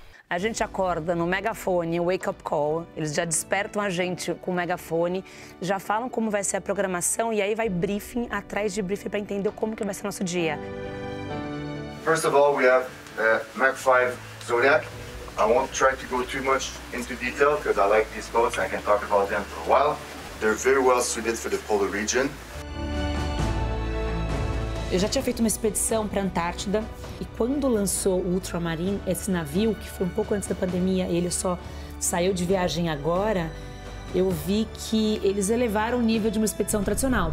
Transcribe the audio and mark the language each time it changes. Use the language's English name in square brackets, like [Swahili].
[Portuguese] A gente acorda no megafone, [English] wake up call, [Portuguese] eles já despertam a gente com o megafone, já falam como vai ser a programação e aí vai briefing atrás de briefing para entender como que vai ser nosso dia. [English] First of all, we have Mach 5 Zodiac. I won't try to go too much into detail because I like these boats, I can talk about them for a while. They're very well suited for the polar region. [Portuguese] Eu já tinha feito uma expedição para a Antártida e quando lançou o Ultramarine, esse navio, que foi um pouco antes da pandemia, ele só saiu de viagem agora, eu vi que eles elevaram o nível de uma expedição tradicional.